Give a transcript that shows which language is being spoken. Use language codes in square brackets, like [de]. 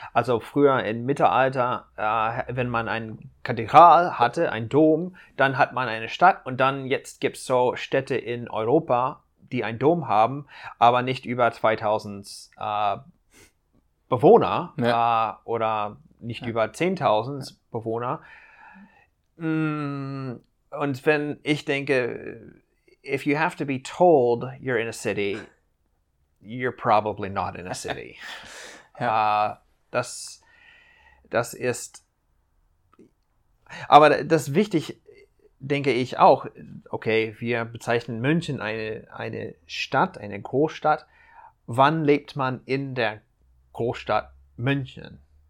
[de] Also früher im Mittelalter, wenn man ein Kathedral hatte, ein Dom, dann hat man eine Stadt. Und dann jetzt gibt's so Städte in Europa, die einen Dom haben, aber nicht über 2000 Bewohner oder nicht über 10.000 Bewohner. Und wenn ich denke, [en] if you have to be told you're in a city, you're probably not in a city. [de] Das ist, aber das ist wichtig, denke ich auch. Okay, wir bezeichnen München eine Stadt, eine Großstadt. Wann lebt man in der Großstadt München?